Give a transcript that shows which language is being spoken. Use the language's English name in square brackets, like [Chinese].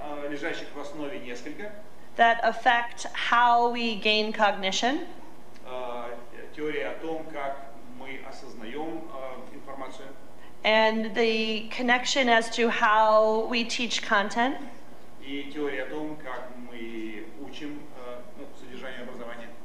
[Russian] лежащих в основе несколько [English] that affect how we gain cognition. [Russian] Теория о том, как мы осознаем информацию. [English] And the connection as to how we teach content. [Russian] И теория о том, как мы учим содержание образования.